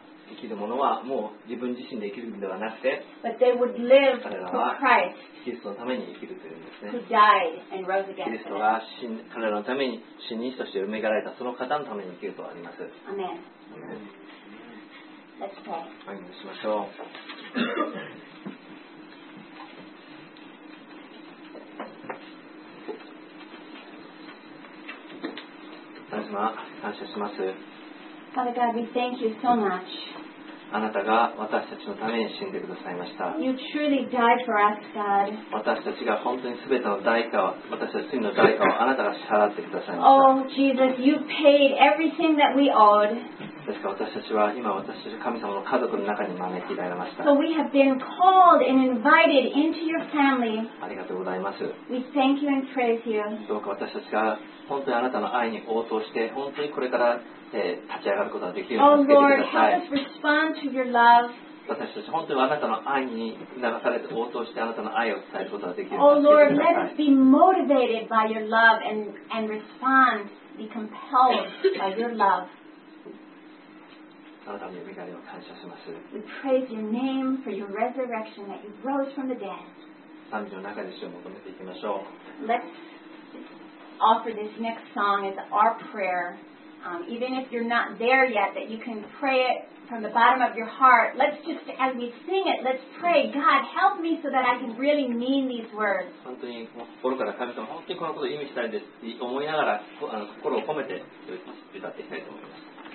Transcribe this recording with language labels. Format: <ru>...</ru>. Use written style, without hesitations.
<en>But they would live for Christ, who died and rose again.</en> <ja>キリストが死ん、彼らのために死人として埋められたその方のために生きるとあります。アメン。</ja> <en>Let's pray.</en> <ja>お祈りしましょう。神様、感謝します。</ja> <en>Father God, we thank you so much.</en> <ja>あなたが私たちのために死んでくださいました。</ja> <en>You truly died for us, God.</en> <ja>私たちが本当に全ての代価を、私たちの罪の代価をあなたが支払ってくださいました。</ja> <en>Oh, Jesus, you paid everything that we owed.</en> <ja>ですから私たちは今私たちは神様の家族の中に招き入れました。</ja> <en>So we have been called and invited into your family.</en> <ja>ありがとうございます。</ja> <en>We thank you and praise you.</en> <ja>どうか私たちが本当にあなたの愛に応答して、本当にこれから立ち上がることができるようにしてください。</ja> <en>Oh Lord, help us respond to your love.</en> <ja>私たち本当にあなたの愛に流されて応答してあなたの愛を伝えることができるように。</ja> <en>Oh Lord, let us be motivated by your love and respond, be compelled by your love.</en> <ja>あなたの恵みを感謝します。</ja> <en>We praise your name for your resurrection that you rose from the dead.</en> <ja>賛美の中で主を求めていきましょう。</ja> <en>Let's offer this next song as our prayer. Even if you're not there yet, that you can pray it from the bottom of your heart. Let's just, as we sing it, let's pray, God, help me so that I can really mean these words.</en> <ja>本当に心から神様、本当にこのことを意味したいですって思いながら、心を込めて歌っていきたいと思います。</ja>